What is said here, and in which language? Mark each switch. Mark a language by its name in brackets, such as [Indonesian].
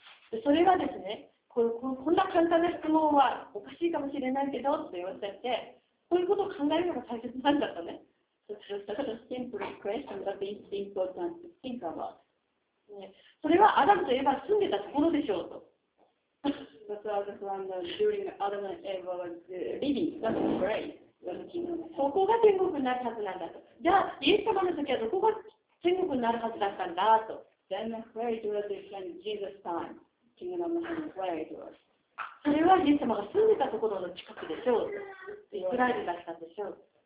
[Japanese] で、それはですね、こんな簡単な質問はおかしいかもしれないけどって言われて、こういうことを考えるのが大切なんだとね。 [English] Such a simple question, but it's important to think about. [Japanese] それはアダムとエヴァ住んでたところでしょうと。 [English] That was from the during Adam and Eve living. That's great. [Japanese] ここが天国になるはずなんだと。じゃあ、イエス様の時はどこが天国になるはずだったんだと。 [English] Then where it was in Jesus' time, kingdom of heaven, where it was. [Japanese] それはイエス様が住んでたところの近くでしょうと。イスラエルだったんでしょう。